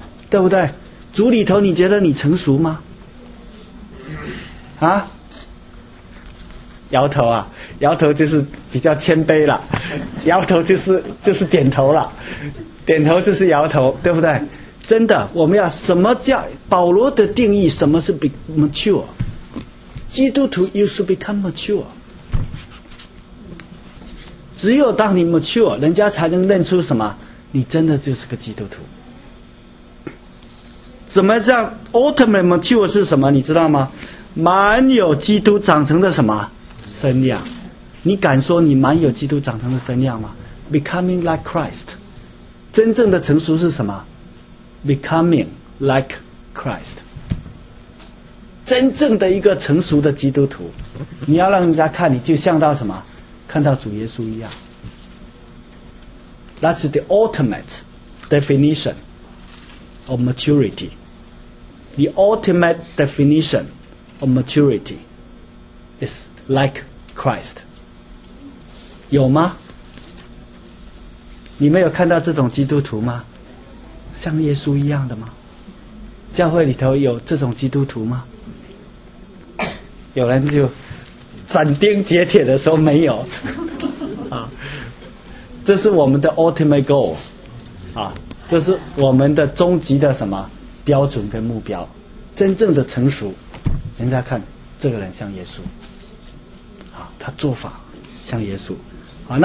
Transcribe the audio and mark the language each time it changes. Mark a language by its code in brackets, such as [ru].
[zh] 对不对？主里头，你觉得你成熟吗？啊？摇头啊，摇头就是比较谦卑了，摇头就是点头了，点头就是摇头，对不对？真的，我们要什么叫保罗的定义？什么是 [en] be mature？ [zh] 基督徒 [en] you should become mature。 [zh] 只有当你 mature， 人家才能认出什么，你真的就是个基督徒。怎么叫 [en] ultimate mature [zh] 是什么？你知道吗？满有基督长成的什么？身量，你敢说你满有基督长成的身量吗？ [en] Becoming like Christ， [zh] 真正的成熟是什么？ [en] becoming like Christ。 [zh] 真正的一个成熟的基督徒，你要让人家看你就像到什么？看到主耶稣一样。 [en] That's the ultimate definition of maturity. The ultimate definition of maturity is like Christ. [zh] 有吗？你们有看到这种基督徒吗？像耶稣一样的吗？教会里头有这种基督徒吗？有人就斩钉截铁的说没有啊，这是我们的 [en] ultimate goal [zh] 啊，这是我们的终极的什么标准跟目标，真正的成熟，人家看这个人像耶稣啊，他做法像耶稣啊。